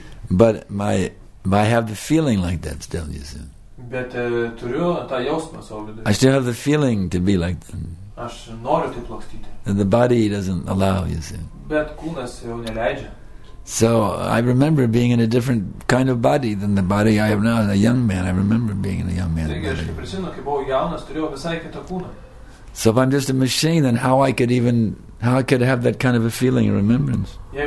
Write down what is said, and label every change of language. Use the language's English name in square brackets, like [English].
[English] But I have the feeling like that still, you see. [Lithuanian] Bet turiu tą jausmą savo vidu. [English] I still have the feeling to be like them. [Lithuanian] Aš noriu taip lakstyti. [English] And the body doesn't allow, you see. [Lithuanian] Bet kūnas jau neleidžia. [English] So I remember being in a different kind of body than the body I have now, a young man. I remember being in a young man. [Lithuanian] Taigi aš prisimenu, kai buvau jaunas, turėjau visai kitą kūną. [English] So if I'm just a machine, then how I could even, how I could have that kind of a feeling or remembrance?